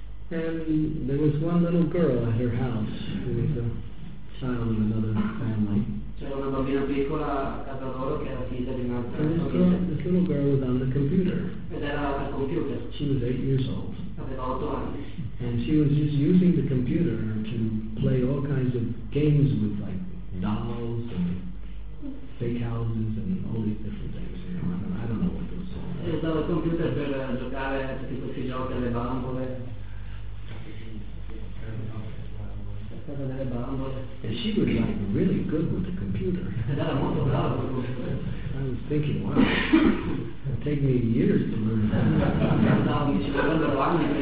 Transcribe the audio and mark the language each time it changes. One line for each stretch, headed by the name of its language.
English: And there was one little girl at her house who was a child of another family.
Italian: C'era una bambina piccola a casa loro che era figlia di un'altra.
English: This little girl was on the computer.
Italian: Ed era al computer.
English: She was 8 years old.
Italian: Aveva 8 anni.
English: And she was just using the computer to play all kinds of games with, like, dolls and fake houses and all these different things. You know, I don't know what those are.
Italian: E usava il computer per giocare a tutti questi giochi, alle bambole.
English: And she was like really good with the computer. I was thinking, wow, it'll take me years to learn that.